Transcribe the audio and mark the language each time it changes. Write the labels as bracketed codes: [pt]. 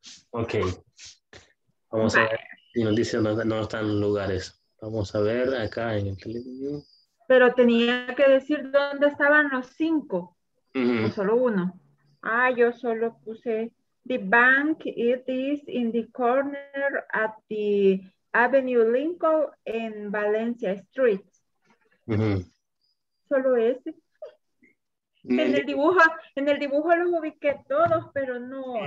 [es] Okay. Vamos vale. A ver. Y nos dice no están los lugares. Vamos a ver acá en el teléfono. Pero tenía que decir dónde estaban los cinco. Uh-huh. O solo uno. Ah, yo solo puse... [en] The bank, it is in the corner at the Avenue Lincoln and Valencia Street. Mm-hmm. [es] Solo ese. Mm-hmm. En el dibujo los ubiqué todos, pero no.